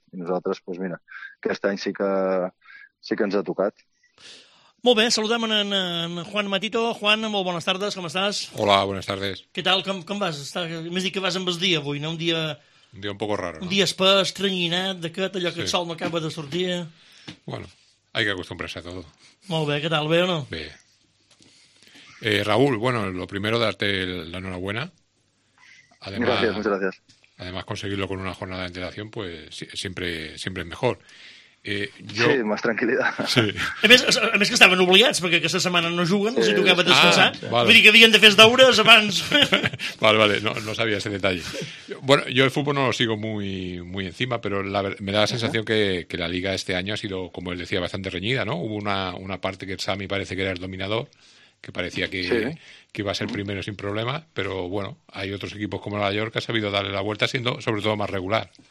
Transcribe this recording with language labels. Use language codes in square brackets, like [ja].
[ca] I nosaltres, doncs mira, aquest any sí que ens ha tocat. Molt bé, saludem en Juan Matito. Juan, molt bones tardes, com estàs? [es] Hola, buenas tardes. [ca] Què tal, com vas? M'has dit que vas amb el dia avui, no? [es] Un dia un poco raro, [ca] no? Un dia espès, estrenyinat, d'aquest, allò que sí. El sol no acaba de sortir. [es] Bueno, hay que acostumbrarse a todo. [ca] Molt bé, què tal, bé o no? [es] Bé. Raúl, bueno, lo primero, darte la enhorabuena. Además, gracias, muchas gracias. Además, conseguirlo con una jornada de antelación, pues siempre es mejor. [ca] Jo... Sí, més tranquil·litat. Sí. A més que estaven obligats, perquè aquesta setmana no juguen, sí, els tocava descansar. Vale. Vull dir que havien de fer els deures abans. Vale, no sabia aquest detall. [es] Bueno, jo el futbol no lo sigo muy, muy encima, però me da la sensación que la Liga este año ha sido, como él decía, bastante reñida, ¿no? Hubo una parte que el Sami parece que era el dominador, que parecía que iba a ser primero sin problema, pero bueno, hay otros equipos como la York que ha sabido darle la vuelta siendo sobre todo más regular.